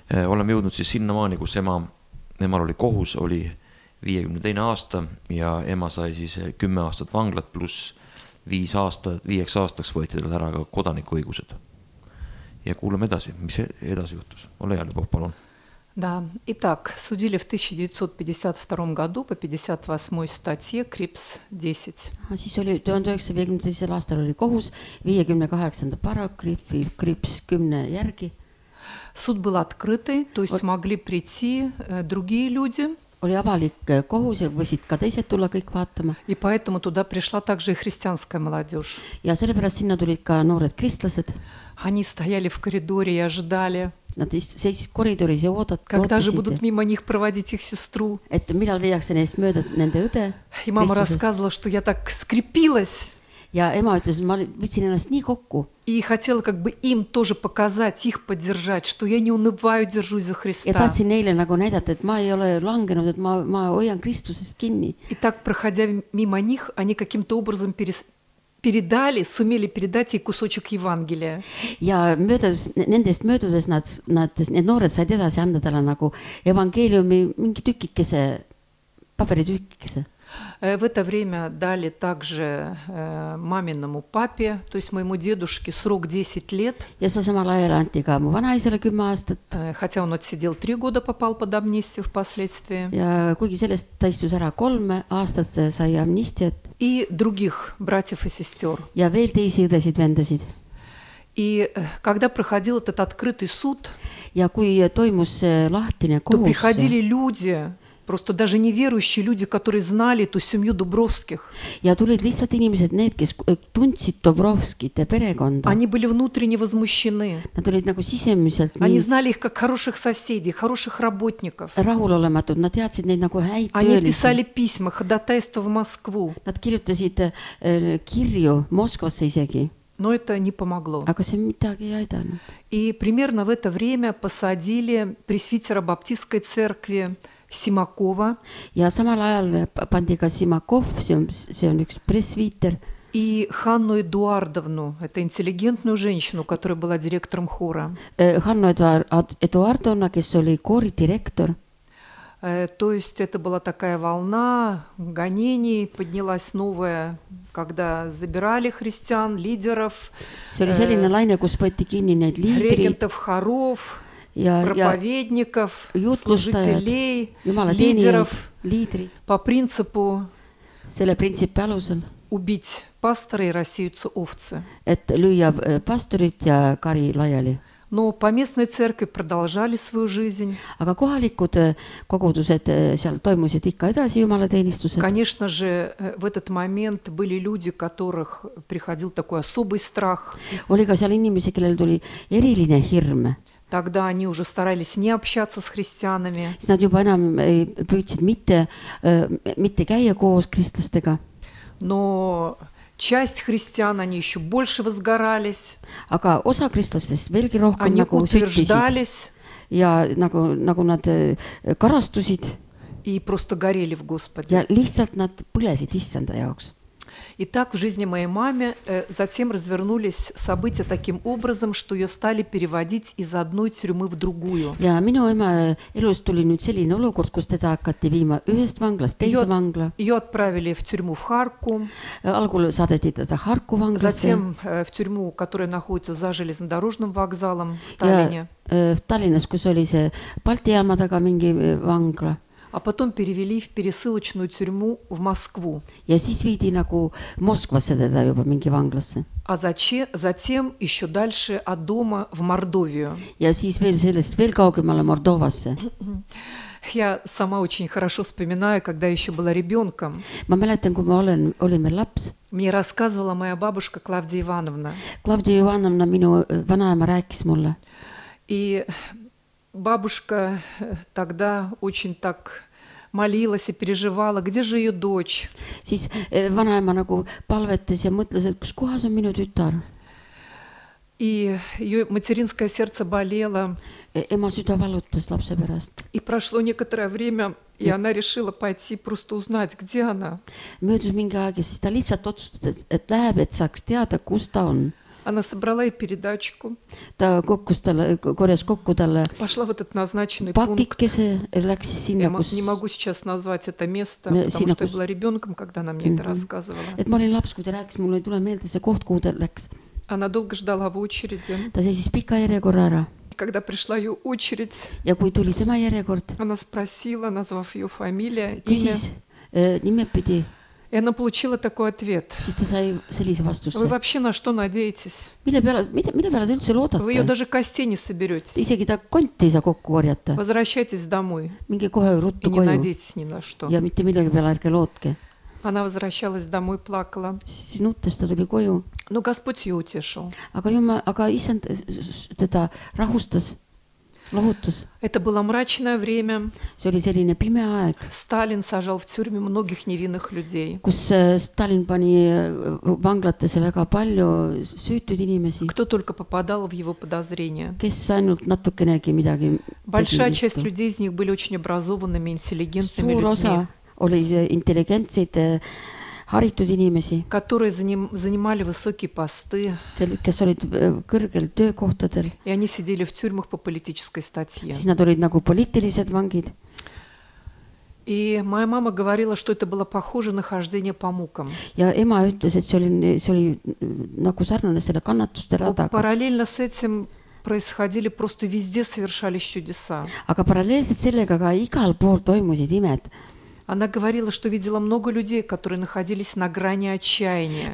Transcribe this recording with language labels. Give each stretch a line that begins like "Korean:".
Estonian: Oleme jõudnud siis sinna maani, kus emal oli kohus, oli 52 aasta ja ema sai siis 10 aastat vanglat plus 5 aastaks võeti tal ära ka kodanikuõigused. Ja kuuleme edasi, mis edasi juhtus. Ole hea, Ljubov, palun.
Russian: Да. Итак, судили в 1952 году по 58 статье КРИПС 10.
Estonian: А siis oli 1952 aastal oli kohus 58. paragrahvi КРИПС 10 järgi.
Russian: Суд был открытый, то есть могли прийти другие люди.
Estonian: Oli avalik kohus ja võisid ka teised tulla kõik vaatama.
Russian: И поэтому туда пришла также и христианская молодёжь.
Estonian: Ja sellepärast sinna tulid ka noored kristlased.
Russian: Они стояли в коридоре и ожидали.
Estonian: Nad seisid koridoris ja ootasid.
Russian: Когда же будут мимо них проводить их сестру?
Estonian: Et millal viiakse neist mööda nende õde?
Russian: И мама рассказывала, что я так скрепилась.
Estonian: Ja ema ütles, ma võtsin ennast nii kokku.
Russian: И хотела как бы им тоже показать, их поддержать, что я не унываю, держусь за Христа.
Estonian: Ja tahtsin neile nagu näidata, et ma ei ole langenud, et ma hoian Kristusest kinni.
Russian: И так, проходя мимо них, они каким-то образом сумели передать ей кусочек Евангелия.
Estonian: Ja nendest möödudes need noored said edasi anda talle nagu evangeeliumi mingi tükikese, paperi tükikese.
Russian: В это время дали также маминому папе, то есть моему дедушке, срок 10 лет.
Estonian: Ja sa samal ajal anti ka mu vanaisele 10 aastat.
Russian: Хотя он отсидел 3 года, попал под амнистию впоследствии.
Estonian: Ja kuigi sellest ta istus ära 3 aastat, sai амнистият.
Russian: И других братьев и сестер.
Estonian: Ja veel teisi õdesid, vendasid.
Russian: И когда проходил этот открытый суд,
Estonian: ja kui toimus lahtine kohus,
Russian: то приходили люди, просто даже неверующие люди, которые знали ту семью Дубровских.
Estonian: Ja tulid lihtsalt inimesed, need, kes tundsid Dubrovskite perekonda.
Russian: Они были внутренне возмущены.
Estonian: Nad olid nagu sisemiselt.
Russian: Они знали их как хороших соседей, хороших работников.
Estonian: Rahulolematud, nad teadsid neid nagu häid töölisi.
Russian: Они писали письма, ходатайство в Москву.
Estonian: Nad kirjutasid kirju Moskvasse isegi.
Russian: Но это не помогло.
Estonian: Aga see midagi ei aidanud.
Russian: И примерно в это время посадили пресвитера баптистской церкви Симакова.
Estonian: Ja samal ajal pandi ka Симаков, see on üks presviiter.
Russian: И Ханну Эдуардовну, это интеллигентную женщину, которая была директором хора.
Estonian: Ханну Эдуардовна, kes oli koori direktor.
Russian: То есть это была такая волна гонений, поднялась новая, когда забирали христиан, лидеров.
Estonian: See oli selline laine, kus võeti kinni need liidrid.
Russian: Регентов хоров. Ja, проповедников, ja служителей, Jumala, лидеров
Estonian: liidrid.
Russian: По принципу
Estonian: selle принципе alusel
Russian: убить пастора и рассеются овцы.
Estonian: Et lüüa pastorit ja kari laiali.
Russian: Но по местной церкви продолжали свою жизнь.
Estonian: Aga kohalikud kogudused seal toimusid ikka edasi Jumala teenistused.
Russian: Конечно же, в этот момент были люди, которых приходил такой особый страх.
Estonian: Oli ka seal inimesi, kellel tuli eriline hirm.
Russian: Тогда они уже старались не общаться с христианами.
Estonian: Nad juba enam ei püüdsid mitte käia koos kristlastega.
Russian: Но часть христиан, они еще больше возгорались.
Estonian: Aga osa kristlastest veelgi rohkem
Russian: они nagu утверждались.
Estonian: Ja, nagu nad karastusid.
Russian: И просто горели в Господе.
Estonian: Ja lihtsalt nad põlesid Issanda jaoks.
Russian: И так в жизни моей маме затем развернулись события таким образом, что ее стали переводить из одной тюрьмы в другую.
Estonian: Ja minu ema elus tuli nüüd selline olukord, kus teda hakati viima ühest vanglast teise vangla.
Russian: Ее отправили в тюрьму в Харку.
Estonian: Algul saadeti teda Harku vanglasse.
Russian: Затем в тюрьму, которая находится за железнодорожным вокзалом в Таллине. В Таллинес,
Estonian: kus oli see Balti jaama taga mingi vangla.
Russian: А потом перевели в пересылочную тюрьму в Москву.
Estonian: Ja siis viidi nagu Moskvasse teda juba mingi vanglasse.
Russian: А затем еще дальше от дома в Мордовию.
Estonian: Ja siis veel sellest veel kaugemale Mordovasse.
Russian: Я сама очень хорошо вспоминаю, когда еще была ребенком.
Estonian: Ma mäletan, kui ma olime laps.
Russian: Мне рассказывала моя бабушка Клавдия Ивановна.
Estonian: Клавдия Ивановна minu vanaema rääkis mulle.
Russian: И бабушка тогда очень так молилась и переживала, где же ее дочь?
Estonian: Siis vanaema nagu palvetas ja mõtles, et kus kohas on minu tütar?
Russian: И ее материнское сердце болело.
Estonian: Ema süda valutas lapse pärast.
Russian: И прошло некоторое время, и она решила пойти просто узнать, где она.
Estonian: Möödus mingi aeg, siis ta lihtsalt otsustas, et läheb, et saaks teada, kus ta on.
Russian: Она собрала и передатчику.
Estonian: Ta kokkus talle, korjas kokku talle.
Russian: Пошла в этот назначенный пункт.
Estonian: Pakikese läks sinna, kus...
Russian: Не могу сейчас назвать это место, потому что я была ребенком, когда она мне это рассказывала.
Estonian: Et ma olin laps, kui ta rääkis, mulle ei tule meelde see koht, kuhu ta läks.
Russian: Она долго ждала в очереди.
Estonian: Ta seisis pika järjekorra ära.
Russian: Когда пришла ее очередь.
Estonian: Ja kui tuli tema järjekord.
Russian: Она спросила, назвав ее фамилия,
Estonian: küsis,
Russian: имя.
Estonian: Pidi.
Russian: И она получила такой ответ. Вы вообще на что надеетесь?
Estonian: Мille peale
Russian: вы ее даже костей не соберете.
Estonian: Isegi ta konti ei saa kokku korjata.
Russian: Возвращайтесь домой.
Estonian: Minge kohe ruttu koju.
Russian: И не надейтесь ни на что.
Estonian: Ja mitte millegi peale ärge lootke.
Russian: Она возвращалась домой, плакала.
Estonian: Sinutest ta tuli koju.
Russian: Но Господь ее утешил.
Estonian: Aga Issand teda rahustas. Lohutus.
Russian: Это было мрачное время.
Estonian: See oli selline pime aeg.
Russian: Сталин сажал в тюрьме многих невинных людей.
Estonian: Kus Stalin pani vanglatesse väga palju süütud inimesi.
Russian: Кто только попадал в его подозрения.
Estonian: Kes ainult natukenegi midagi.
Russian: Большая часть людей из них были очень образованными, интеллигентными людьми.
Estonian: Suur osa oli intelligentsed, haritud inimesi.
Russian: Которые занимали высокие посты.
Estonian: Kes olid kõrgel töökohtadel.
Russian: И они сидели в тюрьмах по политической статье.
Estonian: Siis nad olid nagu poliitilised vangid.
Russian: И моя мама говорила, что это было похоже на хождение по мукам.
Estonian: Ja ema ütles, et see oli nagu sarnane selle kannatuste radaga.
Russian: Параллельно с этим происходили просто везде совершались чудеса.
Estonian: Aga параллельно sellega ka igal pool toimusid imed.
Russian: Она говорила, что видела много людей, которые находились на грани отчаяния.